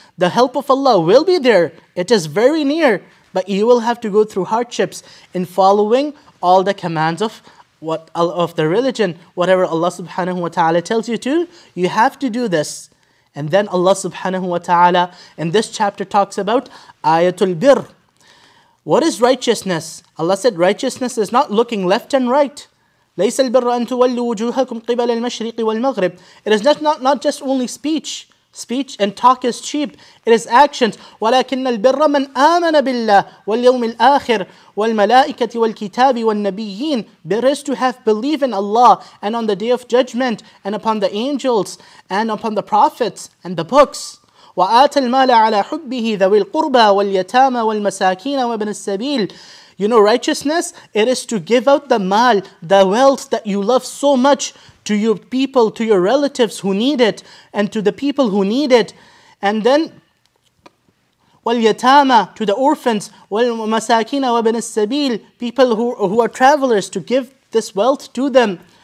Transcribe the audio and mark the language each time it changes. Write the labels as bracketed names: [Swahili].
[English] The help of Allah will be there. It is very near. But you will have to go through hardships in following all the commands of what of the religion. Whatever Allah subhanahu wa ta'ala tells you to, you have to do this. And then Allah subhanahu wa ta'ala in this chapter talks about ayatul birr. What is righteousness? Allah said righteousness is not looking left and right. [Arabic] ليس البر أن تولوا وجوهكم قبل المشرق والمغرب. [English] It is not just only speech. Speech and talk is cheap. It is actions. [Arabic] ولكن البر من آمن بالله واليوم الآخر والملائكة والكتاب والنبيين. [English] Bir is to have belief in Allah and on the day of judgment and upon the angels and upon the prophets and the books. [Arabic] وآت المال على حبه ذوي القربى واليتامى والمساكين وابن السبيل. [English] You know, righteousness, it is to give out the mal, the wealth that you love so much to your people, to your relatives who need it, and to the people who need it. And then, وَالْيَتَامَى, to the orphans, [Arabic] وَالْمَسَاكِينَ وَبْنِ السَّبِيلِ, [English] people who are travelers, to give this wealth to them.